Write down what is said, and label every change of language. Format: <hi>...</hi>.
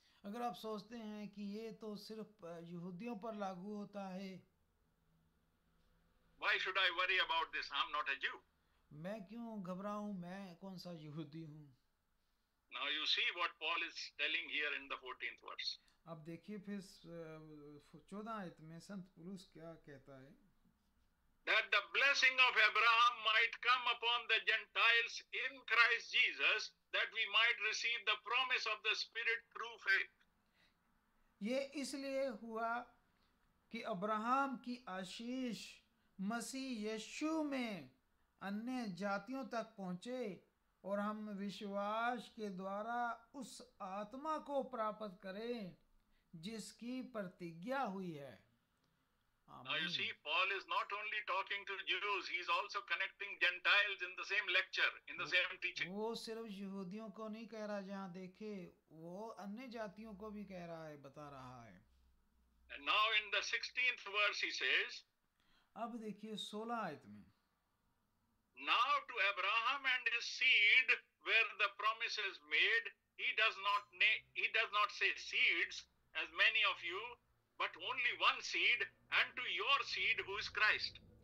<hi>अगर आप सोचते हैं कि ये तो सिर्फ यहूदियों पर लागू होता है,</hi> <en>Why should I worry about this? I'm not a Jew.</en> <hi>मैं क्यों घबराऊं? मैं कौन सा यहूदी हूं?</hi> <en>Now you see what Paul is telling here in the 14th verse.</en> <hi>अब देखिए फिर 14 आयत में संत पुरुष क्या कहता है।</hi> <en>That the blessing of Abraham might come upon the Gentiles in Christ Jesus, that we might receive the promise of the Spirit through faith.</en> <hi>ये इसलिए हुआ कि अब्राहम की आशीष मसीह यीशु में अन्य जातियों तक पहुंचे और हम विश्वास के द्वारा उस आत्मा को प्राप्त करें जिसकी प्रतिज्ञा हुई है।</hi> <en>Now you see, Paul is not only talking to Jews, he is also connecting Gentiles in the same lecture, in the same teaching.</en> <hi>वो सिर्फ यहूदियों को नहीं कह रहा जहां देखे, वो अन्य जातियों को भी कह रहा है, बता रहा है।</hi> <en>And now in the 16th verse he says,</en> <hi>अब देखिए 16 आयत में,</hi> <en>Now to Abraham and his seed where the promise is made, he does not say seeds as many of you, but only one seed, and to your seed who is Christ.</en>